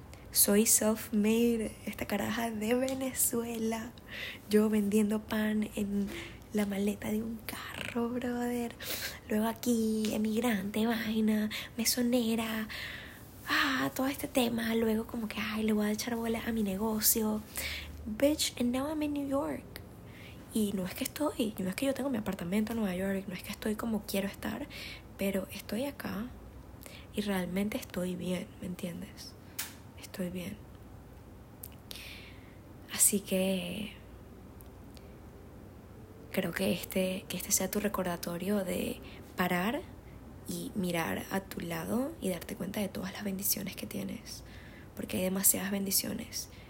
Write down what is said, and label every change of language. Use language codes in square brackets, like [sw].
[es] Soy self-made, esta caraja de Venezuela. Yo vendiendo pan en la maleta de un carro, brother. Luego aquí, emigrante, vaina, mesonera. Ah, todo este tema. Luego como que, ay, le voy a echar bola a mi negocio. [en] Bitch, and now I'm in New York. [es] Y no es que estoy, no es que yo tengo mi apartamento en Nueva York, no es que estoy como quiero estar, pero estoy acá y realmente estoy bien, ¿me entiendes? Estoy bien. Así que creo que este sea tu recordatorio de parar y mirar a tu lado y darte cuenta de todas las bendiciones que tienes, porque hay demasiadas bendiciones.